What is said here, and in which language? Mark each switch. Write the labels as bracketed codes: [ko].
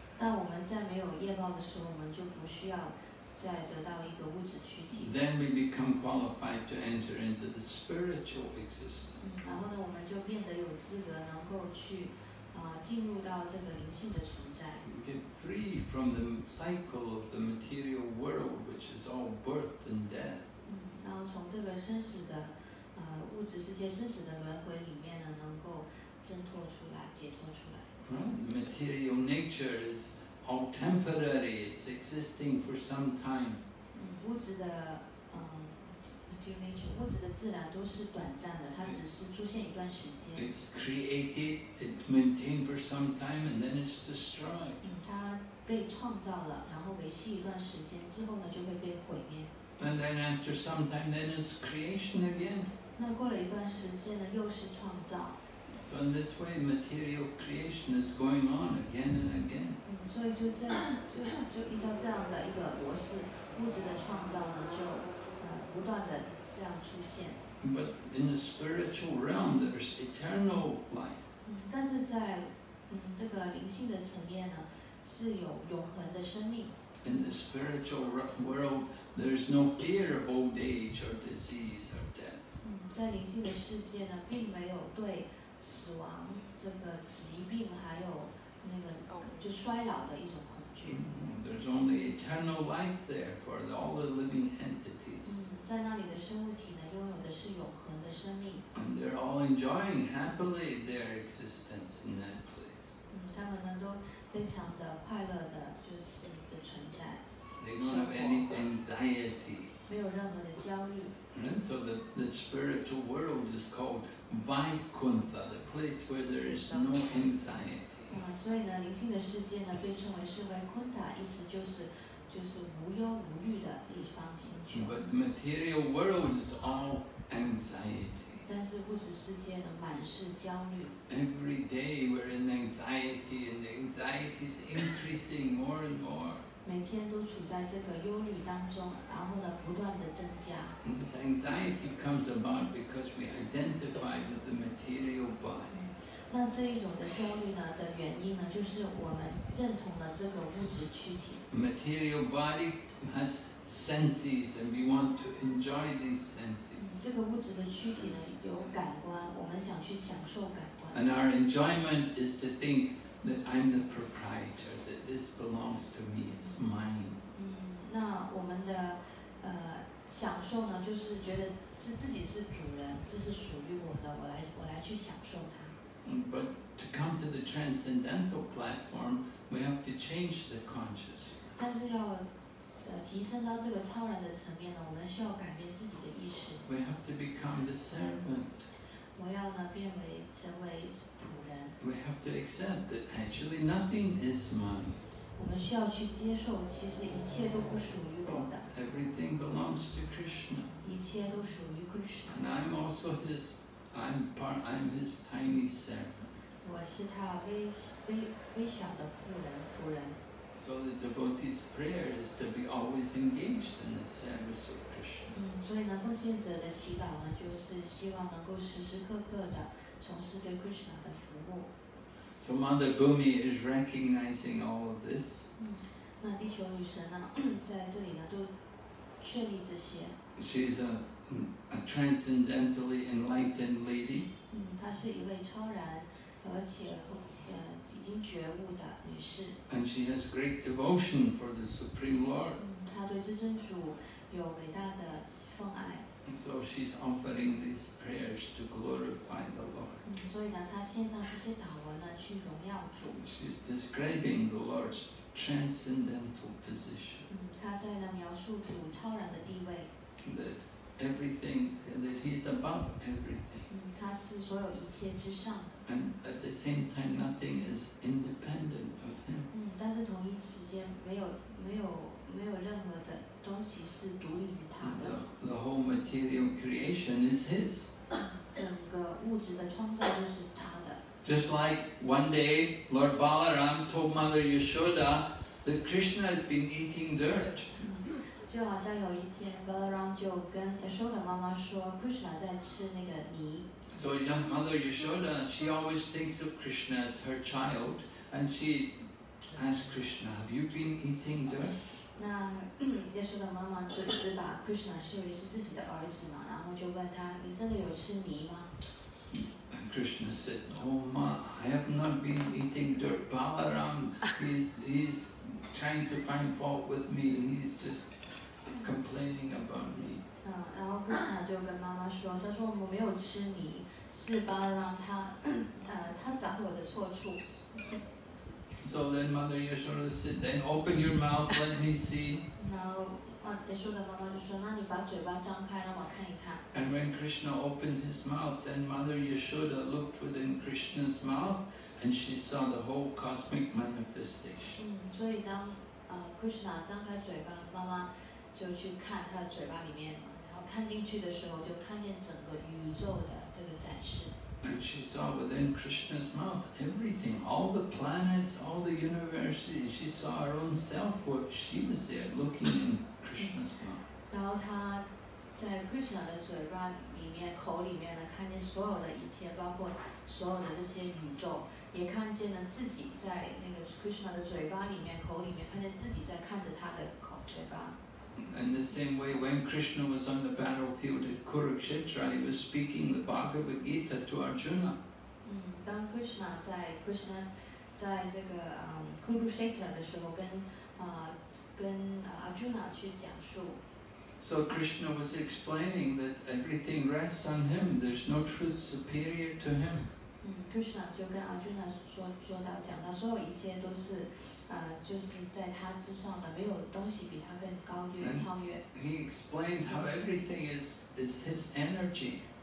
[zh] 当我们在没有业报的时候，我们就不需要再得到一个物质躯体。 [en] Then we become qualified to enter into the spiritual existence. [zh] 然后呢，我们就变得有资格能够去进入到这个灵性的存在。 [en] We get free from the cycle of the material world, which is all birth and death. [zh] 然后从这个生死的物质世界生死的轮回里面呢，能够挣脱出来，解脱出来。 [en] Material nature is all temporary; it's existing for some time. [zh] 物质的 [en] material nature， [zh] 物质的自然都是短暂的，它只是出现一段时间。 [en] It's created, it maintained for some time, and then it's destroyed. [zh] 它被创造了，然后维系一段时间之后呢，就会被毁灭。 [en] And then after some time, then it's creation again. [zh] 那过了一段时间呢，又是创造。 [en] So in this way, material creation is going on again and again. [zh] 所以就这样，就依照这样的一个模式，物质的创造呢，就不断的这样出现。 [en] But in the spiritual realm, there's eternal life. [zh] 但是在这个灵性的层面呢，是有永恒的生命。 [en] In the spiritual world, there is no fear of old age or disease or death. [zh] 在灵性的世界呢，并没有对死亡这个疾病还有那个就衰老的一种恐惧。 [en] There's only eternal life there for all the living entities. [zh] 在那里的生物体呢，拥有的是永恒的生命。 [en] And they're all enjoying happily their existence in that place. [zh] 他们呢都非常的快乐的，就是。 [en] They don't have any anxiety. [zh] 没有任何的焦虑。 [en] And so the spiritual world is called Vaikuntha, the place where there is no anxiety. [zh] 所以呢，灵性的世界呢，被称为是 Vaikuntha， 意思就是无忧无虑的地方星球。 [en] But material world is all anxiety. [zh] 但是物质世界呢，满是焦虑。 [en] Every day we're in anxiety, and the anxiety is increasing more and more. [zh] 每天都处在这个忧虑当中，然后呢，不断的增加。 [en] This anxiety comes about because we identify with the material body. [zh] 那这一种的焦虑呢的原因呢，就是我们认同了这个物质躯体。 [en] Material body has senses, and we want to enjoy these senses. [zh] 这个物质的躯体呢有感官，我们想去享受感官。 [en] And our enjoyment is to think. That I'm the proprietor. That this belongs to me. It's mine. [zh] 那我们的享受呢，就是觉得是自己是主人，这是属于我的，我来去享受它。 [en] But to come to the transcendental platform, we have to change the consciousness. [zh] 但是要提升到这个超然的层面呢，我们需要改变自己的意识。 [en] We have to become the servant. [zh] 我要呢变为成为。 [en] We have to accept that actually nothing is mine. [zh] 我们需要去接受，其实一切都不属于我的。 [en] Everything belongs to Krishna. [zh] 一切都属于 Krishna. [en] And I'm also his I'm his tiny servant. [zh] 我是他微小的仆人。 [en] So the devotee's prayer is to be always engaged in the service of Krishna. [zh] 所以呢，奉献者的祈祷呢，就是希望能够时时刻刻的从事对 Krishna 的服务。 [en] So Mother Bhumi is recognizing all of this. [zh] 那地球女神呢，在这里呢，都确立这些。 [en] She's a transcendentally enlightened lady. [zh] 她是一位超然而且已经觉悟的女士。 [en] And she has great devotion for the Supreme Lord. [zh] 她对至尊主有伟大的奉爱。 [en] And so she's offering these prayers to glorify the Lord. [zh] 所以呢，她献上这些祷文呢，去荣耀主。 [en] She's describing the Lord's transcendental position. [zh] 她在呢描述主超然的地位。 [en] That everything, that he's above everything. [zh] 她是所有一切之上。 [en] And at the same time, nothing is independent of him. [zh] 但是同一时间没有任何的东西是独立于他的。 [en] The whole material creation is his. [zh] 整个物质的创造就是他的。 [en] Just like one day, Lord Balaram told Mother Yashoda that Krishna has been eating dirt. [zh] 就好像有一天 ，Balaram 就跟 Yashoda 妈妈说 ，Krishna 在吃那个泥。 [en] So young mother Yashoda, she always thinks of Krishna as her child, and she asks Krishna, "Have you been eating dirt?" [zh] 那耶稣的妈妈只把 Krishna 视为是自己的儿子嘛，然后就问他，你真的有吃泥吗 [en] ？And Krishna said, "Oh ma, I have not been eating dirt. Balaram, he's trying to find fault with me. He's just complaining about me." [zh] 然后 Krishna 就跟妈妈说，他说我没有吃泥。是巴拉让他找我的错处。 [en] So then Mother Yashoda said, then open your mouth, let me see. [zh] 然后Yashoda妈妈就说，那你把嘴巴张开，让我看一看。 [en] And when Krishna opened his mouth, then Mother Yashoda looked within Krishna's mouth, and she saw the whole cosmic manifestation. [zh] 所以当Krishna 张开嘴巴，妈妈就去看他的嘴巴里面，然后看进去的时候，就看见整个宇宙的。 [en] And she saw within Krishna's mouth everything, all the planets, all the universes. She saw her own self, what she was there looking in Krishna's mouth. [zh] 然后她在 Krishna 的嘴巴里面、口里面呢，看见所有的一切，包括所有的这些宇宙，也看见了自己在那个 Krishna 的嘴巴里面、口里面，看见自己在看着他的口嘴巴。 [en] In the same way, when Krishna was on the battlefield at Kurukshetra, he was speaking the Bhagavad Gita to Arjuna. [zh] 当 Krishna 在这个Kurukshetra 的时候，跟Arjuna 去讲述。 [en] So Krishna was explaining that everything rests on him. There's no truth superior to him. [zh] Krishna 就跟 Arjuna 说到讲到所有一切都是。就是在他之上的，没有东西比他更高越超越。 [en] He explained how everything is his energy.